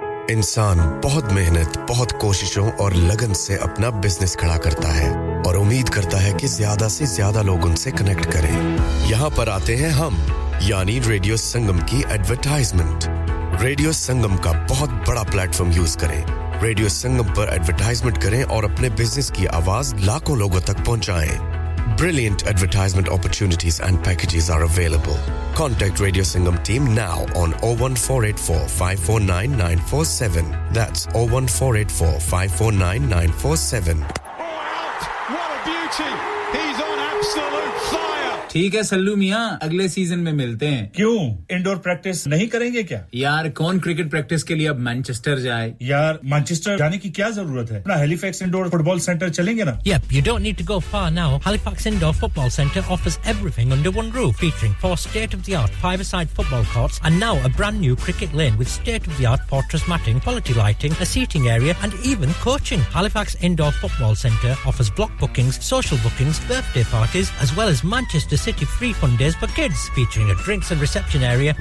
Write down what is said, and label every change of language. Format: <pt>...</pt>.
<hi>इंसान बहुत मेहनत बहुत कोशिशों और लगन से अपना बिजनेस खड़ा करता है और उम्मीद करता है कि ज्यादा से ज्यादा लोग उनसे कनेक्ट करें. यहां पर आते हैं हम यानी रेडियो संगम की एडवर्टाइजमेंट. रेडियो संगम का बहुत बड़ा प्लेटफॉर्म यूज करें. रेडियो संगम पर एडवर्टाइजमेंट करें और अपने बिजनेस की आवाज लाखों लोगों तक पहुंचाएं.</hi> <en>Brilliant advertisement opportunities and packages are available. Contact Radio Sangam team now on 01484-549-947. That's 01484-549-947. What a beauty! He's on absolute fire!</en> <hi>ठीक है सल्लू मियां, अगले सीजन में मिलते हैं. क्यों, इंडोर प्रैक्टिस नहीं करेंगे क्या? यार कौन क्रिकेट प्रैक्टिस के लिए अब मैनचेस्टर जाए? यार मैनचेस्टर जाने की क्या जरूरत है? अपना हैलिफैक्स इंडोर फुटबॉल सेंटर चलेंगे ना?</hi> <en>Yep, you don't need to go far now. Halifax Indoor Football Center offers everything under one roof, featuring four state-of-the-art five-a-side football courts and now a brand new cricket lane with state-of-the-art fortress matting, quality lighting, a seating area and even coaching. Halifax Indoor Football Center offers block bookings, social bookings, birthday parties as well as Manchester City free fun days for kids, featuring a drinks and reception area.</en>